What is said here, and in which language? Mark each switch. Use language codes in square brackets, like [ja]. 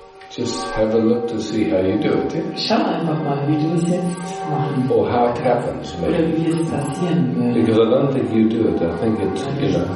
[en] Just have a look to see how you do it, yeah? [de] Schau einfach mal, wie du es jetzt machen. [en] Or how it happens, maybe. [de] Oder wie es passieren wird. [en] Because I don't think you do it, I think it's, you know.